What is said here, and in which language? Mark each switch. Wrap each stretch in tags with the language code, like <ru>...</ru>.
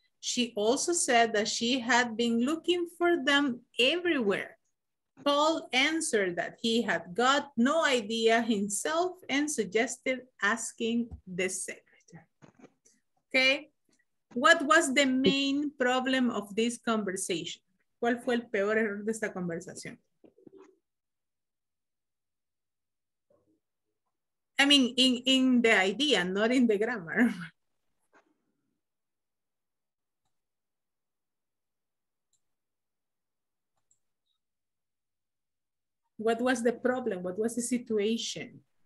<en>She also said that she had been looking for them everywhere. Paul answered that he had got no idea himself and suggested asking the secretary. Okay. What was the main problem of this conversation?</en> <es>¿Cuál fue el peor error de esta conversación?</es> <en>I mean, in the idea, not in the grammar. What was the problem? What was the situation?</en>